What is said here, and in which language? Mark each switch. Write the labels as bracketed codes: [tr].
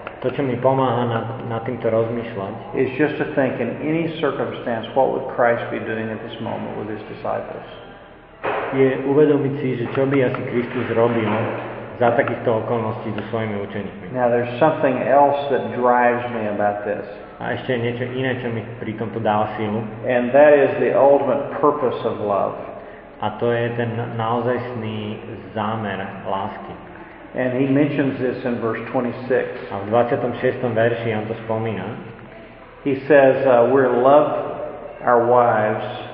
[sk] To, čo mi pomáha na týmto rozmýšľať, [en] is just to think in any circumstance what would Christ be doing at this moment with his disciples. [sk] Je uvedomiť si, že čo by asi Kristus robil za takýchto okolností so svojimi učeníkmi. [en] Now there's something else that drives me about this. [sk] A ešte niečo iné, čo mi pri tomto dáva sílu. [en] And that is the ultimate purpose of love. [sk] A to je ten naozajstný zámer lásky. [en] And he mentions this in verse 26. [sk] A v 26. verši on to spomína. [en] He says, we love our wives.